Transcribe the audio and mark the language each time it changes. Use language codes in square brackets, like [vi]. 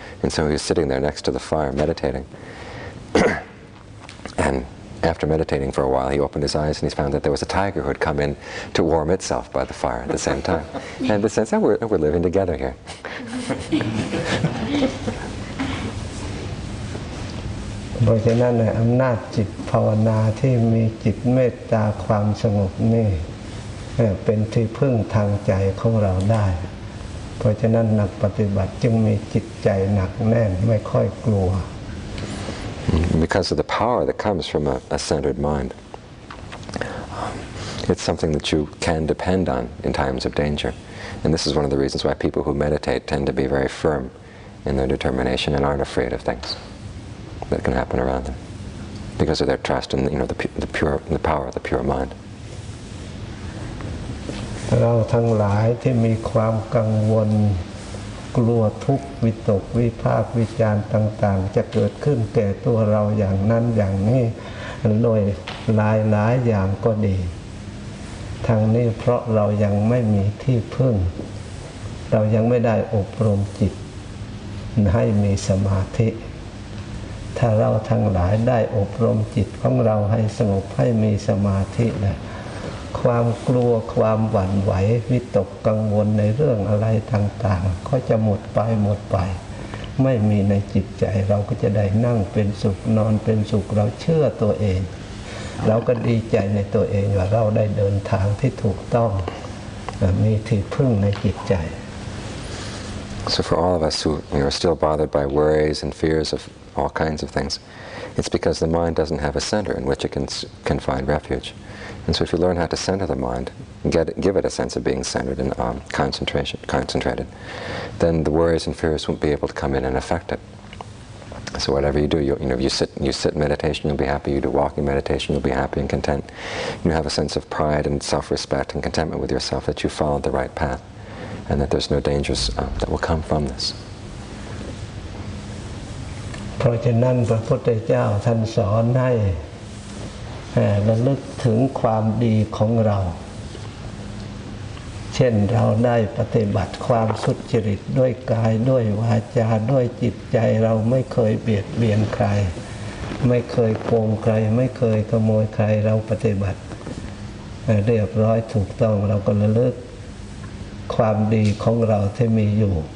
[en] And so he was sitting there next to the fire, meditating. And after meditating for a while, he opened his eyes and he found that there was a tiger who had come in to warm itself by the fire at the same time. And the sense that we're living together here. [th] เพราะฉะนั้นอำนาจจิตภาวนาที่มีจิตเมตตาความสงบนี่เป็นที่พึ่งทางใจของเราได้เพราะฉะนั้นนักปฏิบัติจึงมีจิตใจหนักแน่นไม่ค่อยกลัว [en] Because of the power that comes from a centered mind it's something that you can depend on in times of danger and this is one of the reasons why people who meditate tend to be very firm in their determination and aren't afraid of thingsthat can happen around them because of their trust in, you know, the pure, the power of the pure mind. [th] เราทั้งหลายที่มีความกังวลกลัวทุกข์วิตกวิภาควิจารณ์ต่างๆจะเกิดขึ้นแก่ตัวเราอย่างนั้นอย่างนี้โดยหลายๆอย่างก็ดี ทั้งนี้เพราะเรายังไม่มีที่พึ่งเรายังไม่ได้อบรมจิตให้มีสมาธิถ้าเราทั้งหลายได้อบรมจิตของเราให้สงบให้มีสมาธินะความกลัวความหวั่นไหววิตกกังวลในเรื่องอะไรต่างๆก็จะหมดไปหมดไป ไม่มีในจิตใจเราก็จะได้นั่งเป็นสุขนอนเป็นสุขเราเชื่อตัวเองเราก็ดีใจในตัวเองว่าเราได้เดินทางที่ถูกต้องมีที่พึ่งในจิตใจ [en] So for all of us who are still bothered by worries and fears ofAll kinds of things. It's because the mind doesn't have a center in which it can find refuge. And so, if you learn how to center the mind, give it a sense of being centered and concentrated, then the worries and fears won't be able to come in and affect it. So, whatever you do, you sit in meditation, you'll be happy. You do walking meditation, you'll be happy and content. You have a sense of pride and self-respect and contentment with yourself that you followed the right path, and that there's no dangers that will come from this. [th] เพราะฉะนั้นพระพุทธเจ้าท่านสอนให้ระลึกถึงความดีของเราเช่นเราได้ปฏิบัติความสุจริตด้วยกายด้วยวาจาด้วยจิตใจเราไม่เคยเบียดเบียนใครไม่เคยโกงใครไม่เคยขโมยใครเราปฏิบัติเรียบร้อยถูกต้องเราก็ระลึกความดีของเราที่มีอยู่